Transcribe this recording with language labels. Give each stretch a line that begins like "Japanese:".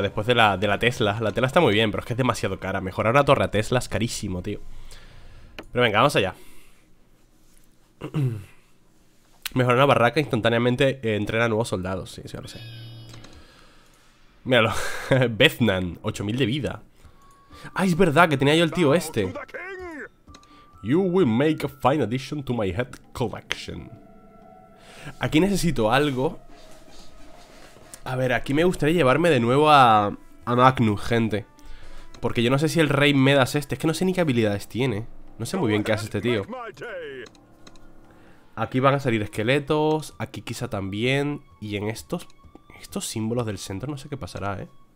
Spanish: Después de la Tesla. La Tesla está muy bien, pero es que es demasiado cara. Mejorar una torre a Tesla es carísimo, tío. Pero venga, vamos allá. Mejorar una barraca instantáneamente entrena nuevos soldados. Sí, ya lo sé. Míralo. Beznan, 8000 de vida. Ah, es verdad que tenía yo el tío este.
English: You will make a fine addition to my head collection.
Spanish: Aquí necesito algo. A ver, aquí me gustaría llevarme de nuevo a Magnus, gente. Porque yo no sé si el rey Medas este. Es que no sé ni qué habilidades tiene. No sé muy bien qué hace este tío. Aquí van a salir esqueletos, aquí quizá también, y en estos símbolos del centro no sé qué pasará, ¿eh?